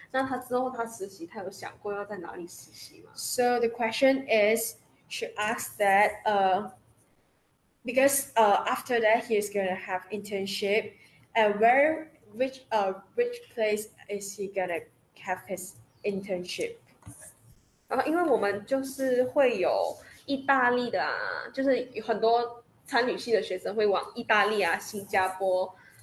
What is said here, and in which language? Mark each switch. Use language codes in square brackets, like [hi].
[zh] 那我的问题就是说，就是因为他之后会去实习嘛，那他之后他实习，他有想过要在哪里实习吗？ [en] So the question is, she asked that, because after that he is gonna have internship, and which place is he gonna have his internship? [zh] 然后因为我们就是会有意大利的啊，就是很多参与系的学生会往意大利啊、新加坡。